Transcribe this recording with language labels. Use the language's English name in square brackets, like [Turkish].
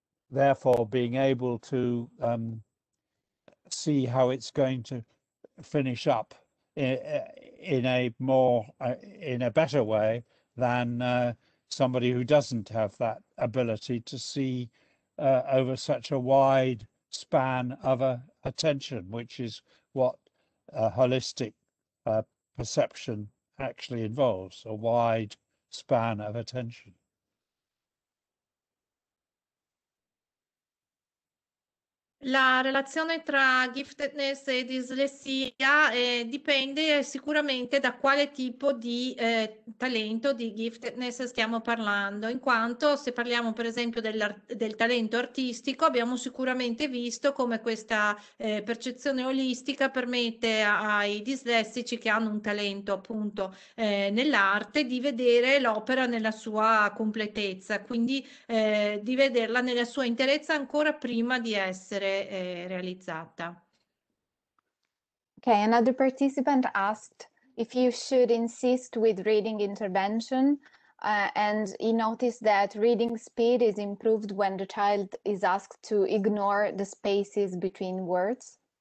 [English] Therefore being able to see how it's going to finish up in a better way than somebody who doesn't have that ability to see over such a wide span of attention, which is what a holistic perception actually involves, a wide span of attention. [Italian] La relazione tra giftedness e dislessia dipende sicuramente da quale tipo di talento, di giftedness stiamo parlando, in quanto se parliamo per esempio del talento artistico, abbiamo sicuramente visto come questa percezione olistica permette ai dislessici che hanno un talento appunto nell'arte di vedere l'opera nella sua completezza, quindi di vederla nella sua interezza ancora prima di essere realizzata. [English] Okay, another participant asked if you should insist with reading intervention, and he noticed that reading speed is improved when the child is asked to ignore the spaces between words.